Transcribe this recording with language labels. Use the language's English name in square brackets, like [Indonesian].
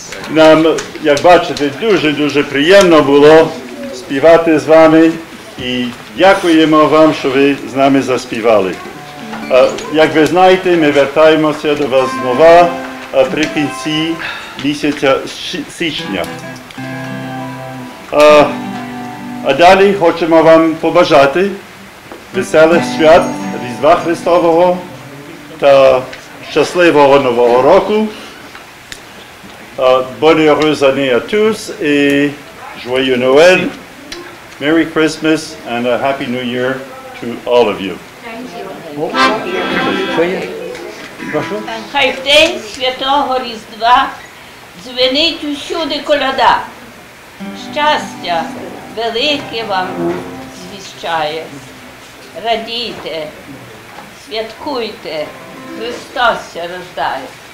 [Ukrainian] Нам, як бачите, дуже-дуже приємно було співати з вами. І дякуємо вам, що ви з нами заспівали. Як ви знаєте, ми вертаємося до вас знову наприкінці місяця січня. А далі хочемо вам побажати веселих свят Різдва Христового та Щасливого Нового Року, [French] Bonne heureuse année à tous, et Joyeux Noël, [English] Merry Christmas, and a Happy New Year to all of you. Thank you. [Ukrainian] Прошу. Хай в день Святого Різдва дзвенить усюди коляда. Щастя велике вам звіщає. Радійте, святкуйте, Христос ся рождає.